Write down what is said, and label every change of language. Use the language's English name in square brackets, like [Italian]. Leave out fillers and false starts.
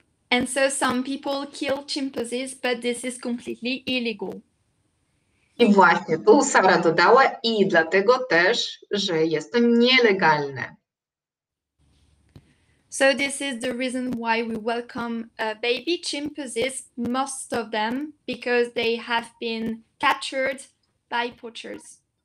[English] And so some people kill chimpanzees, but this is completely illegal. [Polish] I właśnie, tu Sara dodała i dlatego też, że jest to nielegalne. [English] So this is the reason why we welcome baby chimpanzees, most of them, because they have been captured by poachers.